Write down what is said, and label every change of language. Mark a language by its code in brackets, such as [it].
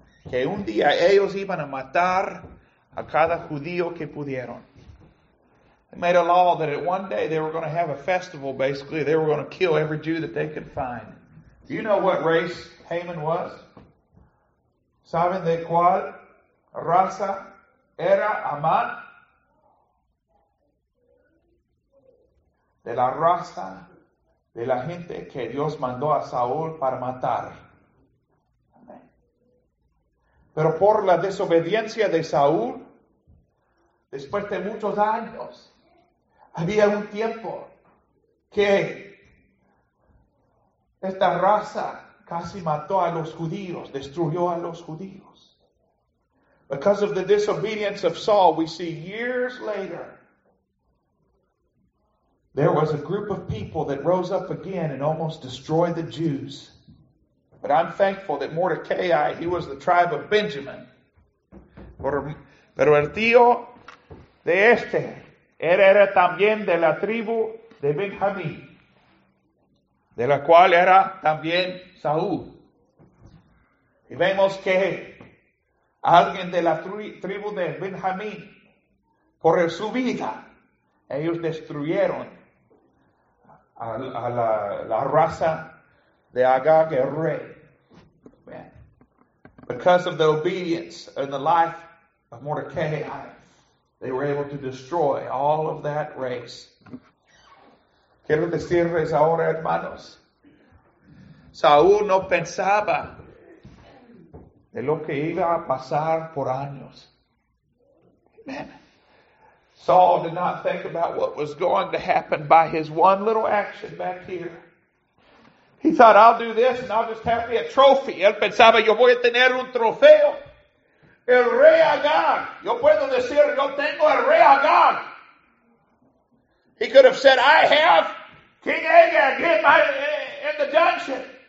[es] Que un día ellos iban a matar a cada judío que pudieron. [en] They made a law that one day they were going to have a festival, basically. They were going to kill every Jew that they could find. Do you know what race Haman was? [es] ¿Saben de cuál raza era Amán? De la raza de la gente que Dios mandó a Saúl para matar. Amén. Pero por la desobediencia de Saúl, después de muchos años, había un tiempo que esta raza casi mató a los judíos, destruyó a los judíos. [en] Because of the disobedience of Saul, we see years later, there was a group of people that rose up again and almost destroyed the Jews. But I'm thankful that Mordecai, he was the tribe of Benjamin. [es] Pero el tío de este era también de la tribu de Benjamín, de la cual era también Saúl. Y vemos que alguien de la tribu de Benjamín, por su vida, ellos destruyeron a la raza de Agag el rey. [en] Amen. Because of the obedience in the life of Mordecai, they were able to destroy all of that race. [es] Quiero decirles ahora, hermanos, Saúl no pensaba de lo que iba a pasar por años. [en] Amen. Saul did not think about what was going to happen by his one little action back here. He thought, I'll do this and I'll just have me a trophy. [es] Él pensaba, yo voy a tener un trofeo. El rey Agag. Yo puedo decir, yo tengo el rey Agag. [en] He could have said, I have King Agag in the dungeon.